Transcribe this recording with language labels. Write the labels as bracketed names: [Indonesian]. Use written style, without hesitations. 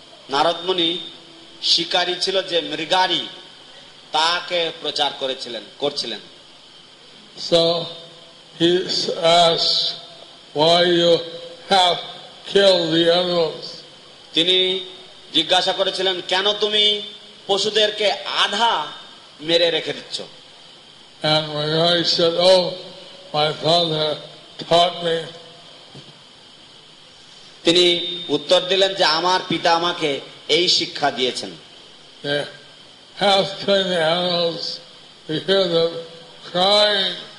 [Bangla] নারদ মুনি শিকারি ছিল যে মৃগারি তাকে প্রচার করছিলেন। [English] So he asked, why you have killed the animals? [Bangla] তিনি জিজ্ঞাসা করেছিলেন কেন তুমি পশুদেরকে আধা মেরে রেখে দিচ্ছ। [English] And Mrigari said, oh, my father taught me. [Bangla] তিনি উত্তর দিলেন যে আমার পিতা আমাকে এই শিক্ষা দিয়েছেন। [English] Half killing the animals, we hear them crying.